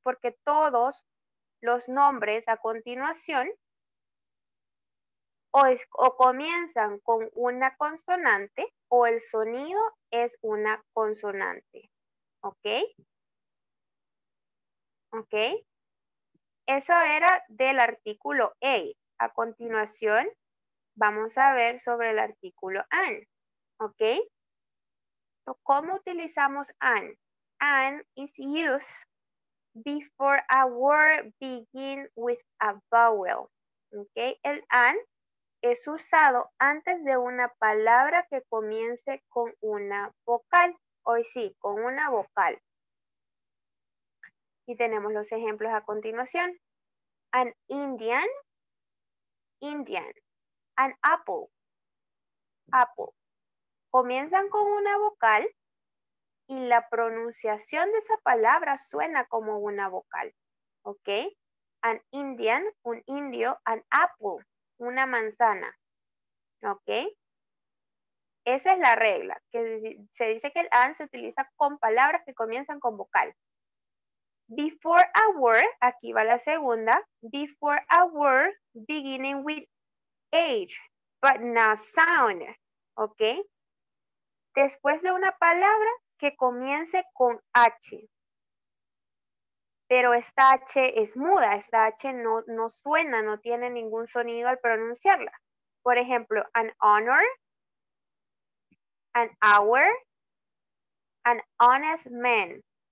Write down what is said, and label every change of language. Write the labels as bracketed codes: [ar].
[es] Porque todos los nombres a continuación o comienzan con una consonante, o el sonido es una consonante. ¿Ok? ¿Ok? Eso era del artículo A. A continuación, vamos a ver sobre el artículo an. ¿Ok? ¿Cómo utilizamos an? [en] An is used before a word begin with a vowel. ¿Ok? [es] El an es usado antes de una palabra que comience con una vocal. Hoy sí, con una vocal. Y tenemos los ejemplos a continuación. An Indian, Indian. An apple, apple. Comienzan con una vocal y la pronunciación de esa palabra suena como una vocal. ¿Ok? An Indian, un indio. An apple, una manzana. ¿Ok? Esa es la regla, que se dice que el an se utiliza con palabras que comienzan con vocal. [en] Before a word, [es] aquí va la segunda. [en] Before a word beginning with H, but not sound. ¿Ok? [es] Después de una palabra que comience con H. Pero esta H es muda, esta H no suena, no tiene ningún sonido al pronunciarla. Por ejemplo, [en] an honor, an hour, an honest man.